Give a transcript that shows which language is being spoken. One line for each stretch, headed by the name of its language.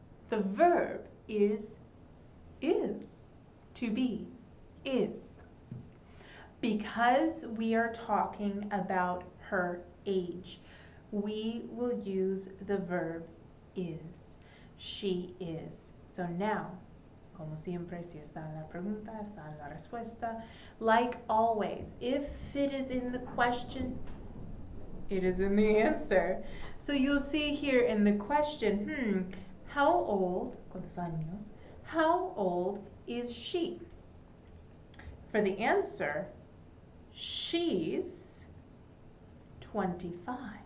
English: The verb is, to be, is. Because we are talking about her age, we will use the verb is. She is. So now,
Spanish: Como siempre, si está en la pregunta, está en la respuesta.
English: Like always, if it is in the question, it is in the answer. So you'll see here in the question, how old,
Spanish: ¿cuántos años?
English: How old is she? For the answer, she's 25.